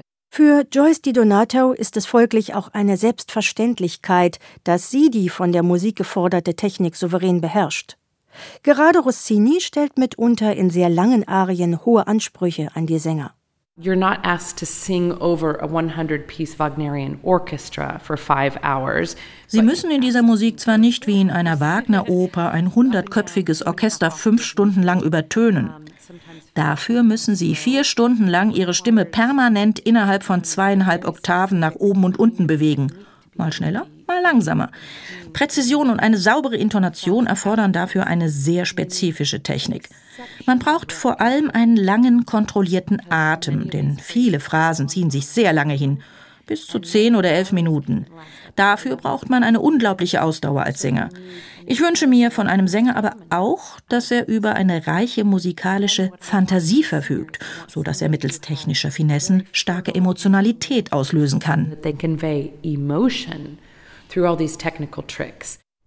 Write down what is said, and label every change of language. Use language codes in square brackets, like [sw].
[de] Für Joyce DiDonato ist es folglich auch eine Selbstverständlichkeit, dass sie die von der Musik geforderte Technik souverän beherrscht. Gerade Rossini stellt mitunter in sehr langen Arien hohe Ansprüche an die Sänger. [en] You're not asked to sing over a 100-piece Wagnerian orchestra for 5 hours. [de] Sie müssen in dieser Musik zwar nicht wie in einer Wagner-Oper ein 100-köpfiges Orchester 5 Stunden lang übertönen. Dafür müssen Sie 4 Stunden lang Ihre Stimme permanent innerhalb von 2,5 Oktaven nach oben und unten bewegen. Mal schneller, mal langsamer. Präzision und eine saubere Intonation erfordern dafür eine sehr spezifische Technik. Man braucht vor allem einen langen, kontrollierten Atem, denn viele Phrasen ziehen sich sehr lange hin, bis zu 10 oder 11 Minuten. Dafür braucht man eine unglaubliche Ausdauer als Sänger. Ich wünsche mir von einem Sänger aber auch, dass er über eine reiche musikalische Fantasie verfügt, sodass er mittels technischer Finessen starke Emotionalität auslösen kann. [en] They convey emotion through all these technical tricks.